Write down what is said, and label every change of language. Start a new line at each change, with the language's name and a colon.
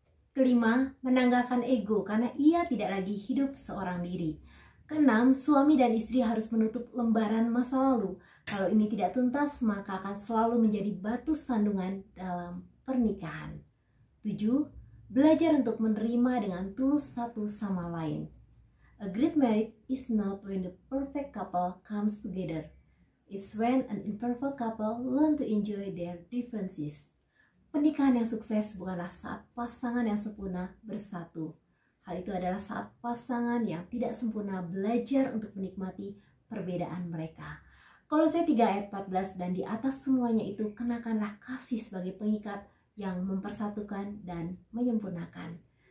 Indonesian: Kelima, menanggalkan ego karena ia tidak lagi hidup seorang diri. Keenam, suami dan istri harus menutup lembaran masa lalu. Kalau ini tidak tuntas, maka akan selalu menjadi batu sandungan dalam pernikahan. Tujuh, belajar untuk menerima dengan tulus satu sama lain.
English: A great marriage is not when the perfect couple comes together. It's when an imperfect couple learn to enjoy their differences.
Indonesian: Pernikahan yang sukses bukanlah saat pasangan yang sempurna bersatu. Hal itu adalah saat pasangan yang tidak sempurna belajar untuk menikmati perbedaan mereka. Kolose 3 ayat 14, dan di atas semuanya itu kenakanlah kasih sebagai pengikat yang mempersatukan dan menyempurnakan.